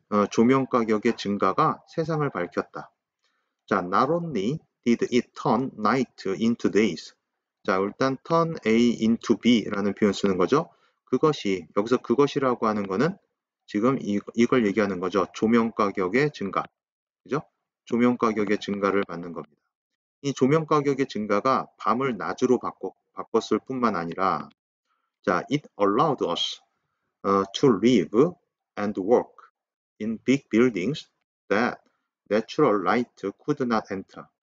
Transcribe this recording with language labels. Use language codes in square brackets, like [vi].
[ko] 조명 가격의 증가가 세상을 밝혔다. [en] 자, not only did it turn night into days. [ko] 자, 일단 turn A into B라는 표현 쓰는 거죠. 그것이, 여기서 그것이라고 하는 거는 지금 이걸 얘기하는 거죠. 조명 가격의 증가. 그죠? 조명 가격의 증가를 받는 겁니다. 이 조명 가격의 증가가 밤을 낮으로 바꿨을 뿐만 아니라, [en] 자, it allowed us to live and work in big buildings that natural light could not enter.